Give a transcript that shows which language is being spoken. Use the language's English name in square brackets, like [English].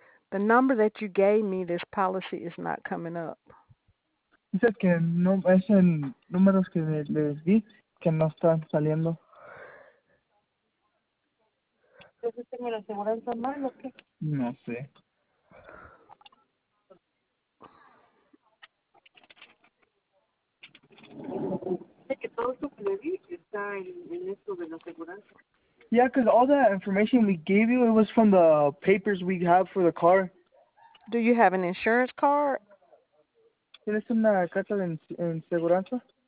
[English] The number that you gave me, this policy is not coming up. [Spanish] Dice que no es el número que les di, que no están saliendo. ¿Entonces tengo la aseguranza mal o qué? No sé. Sé que todo su pedido está en esto de la aseguranza. [English] Yeah, because all that information we gave you, it was from the papers we have for the car. Do you have an insurance card? [Spanish] ¿Tienes una carta de aseguranza?